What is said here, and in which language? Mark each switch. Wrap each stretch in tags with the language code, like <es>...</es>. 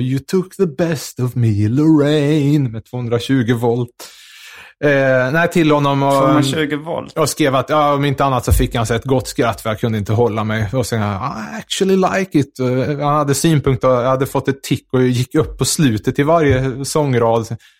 <en>You took the best of me, Lorraine.</en> <sv>Med 220 volt. Nej, till honom. Och, 220 volt. Och skrev att om inte annat så fick han sig ett gott skratt för jag kunde inte hålla mig. Och sen,</sv> <en>I actually like it.</en> <sv>Han hade synpunkter, och jag hade fått ett tick och gick upp på slutet i varje sångrad.</sv>